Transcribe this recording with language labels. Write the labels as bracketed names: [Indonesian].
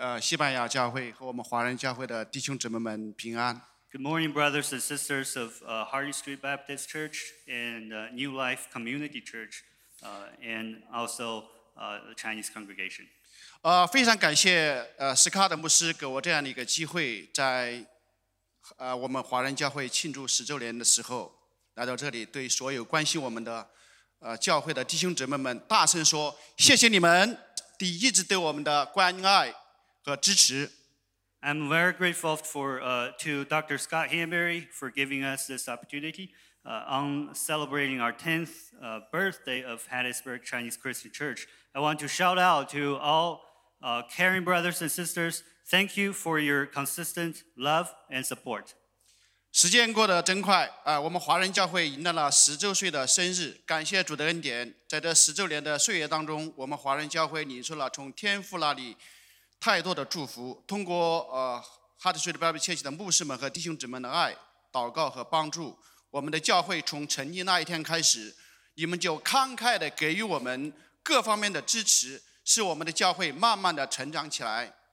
[Chinese] 西班牙教会和我们华人教会的弟兄姊妹们平安。 [English] Good morning, brothers and sisters of Hardy Street Baptist Church and New Life Community Church, and also the Chinese congregation. [Chinese] 非常感谢斯卡德牧师给我这样的一个机会，在我们华人教会庆祝十周年的时候来到这里，对所有关心我们的教会的弟兄姊妹们大声说谢谢你们的一直对我们的关爱和支持。 [English] I'm very grateful to Dr. Scott Hanbury for giving us this opportunity on celebrating our 10th birthday of Hattiesburg Chinese Christian Church. I want to shout out to all caring brothers and sisters. Thank you for your consistent love and support. [Chinese] 时间过得真快，我们华人教会迎来了十周岁的生日，感谢主的恩典，在这十周年的岁月当中，我们华人教会领受了从天父那里太多的祝福，通过Hattiesburg Baptist Church 的牧师们和弟兄姊妹的爱、祷告和帮助，我们的教会从成立那一天开始，你们就慷慨地给予我们各方面的支持，使我们的教会慢慢地成长起来。